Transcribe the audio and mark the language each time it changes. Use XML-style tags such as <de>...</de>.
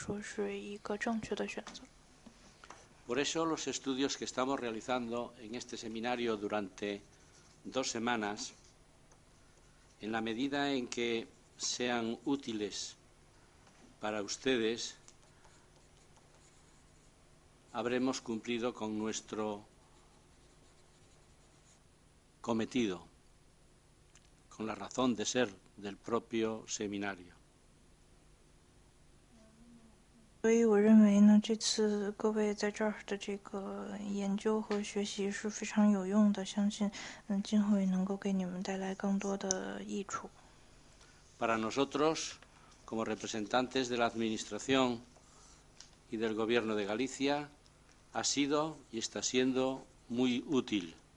<zh>那么西班牙的这种分权呢，是具体到加利西亚地区都是非常有用、有效，而且是一种必要的选择。当然，它也需要在一定程度上进行小的政策的修改以及法律的条文的改正。但是它总体来说，对于西班牙人来说是一个财富，是一个保障，或者说是一个正确的选择。</zh> <es>Por eso los estudios que estamos realizando en este seminario durante dos semanas, en la medida en que sean útiles para ustedes, habremos cumplido con nuestro cometido, con la razón de ser del propio seminario.</es> <zh>所以我认为呢，这次各位在这儿的这个研究和学习是非常有用的，相信今后也能够给你们带来更多的益处。</zh> <es>Para nosotros, como representantes de la Administración y del Gobierno de Galicia, ha sido y está siendo muy útil.</es>